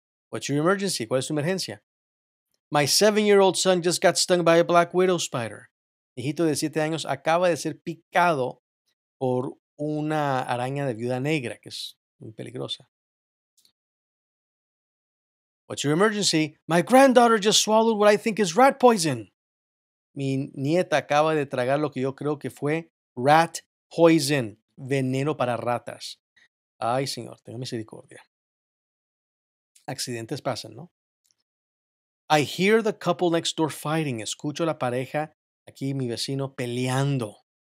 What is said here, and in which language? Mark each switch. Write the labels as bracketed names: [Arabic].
[English] What's your emergency? [Spanish] ¿Cuál es tu emergencia? [English] My 7-year-old son just got stung by a black widow spider. [Spanish] Mi hijito de 7 años acaba de ser picado por una araña de viuda negra, que es muy peligrosa. [English] What's your emergency? My granddaughter just swallowed what I think is rat poison. [Spanish] Mi nieta acaba de tragar lo que yo creo que fue [English] rat poison, [Spanish] veneno para ratas. Ay, señor, tenga misericordia. Accidentes pasan, ¿no? [English] I hear the couple next door fighting. [Spanish] Escucho a la pareja, aquí mi vecino, peleando.